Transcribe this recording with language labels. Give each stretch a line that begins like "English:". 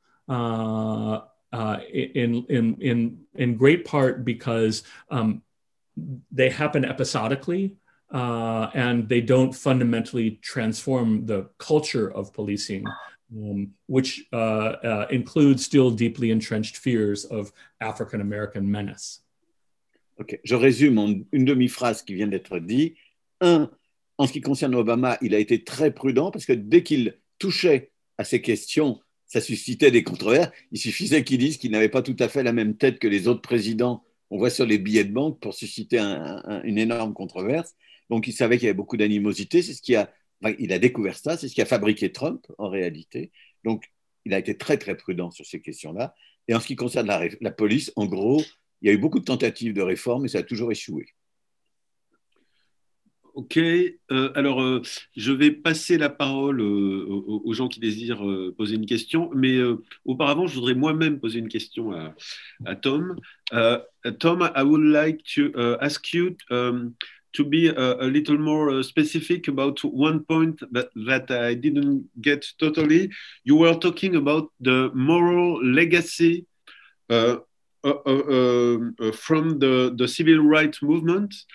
English: In great part because they happen episodically and they don't fundamentally transform the culture of policing, which includes still deeply entrenched fears of African-American menace.
French: Okay, je résume en une demi-phrase qui vient d'être dit. Un, en ce qui concerne Obama, il a été très prudent parce que dès qu'il touchait à ces questions, ça suscitait des controverses. Il suffisait qu'ils disent qu'ils n'avaient pas tout à fait la même tête que les autres présidents qu'on voit sur les billets de banque pour susciter une énorme controverse. Donc, il savait qu'il y avait beaucoup d'animosité. Il a découvert ça. C'est ce qui a fabriqué Trump, en réalité. Donc, il a été très, très prudent sur ces questions-là. Et en ce qui concerne la police, en gros, il y a eu beaucoup de tentatives de réforme et ça a toujours échoué. OK. Alors, je vais passer la parole aux gens qui désirent poser une question. Mais auparavant, je voudrais moi-même poser une question à Tom.
English: Tom, I would like to ask you to be a little more specific about one point that I didn't get totally. You were talking about the moral legacy from the civil rights movement.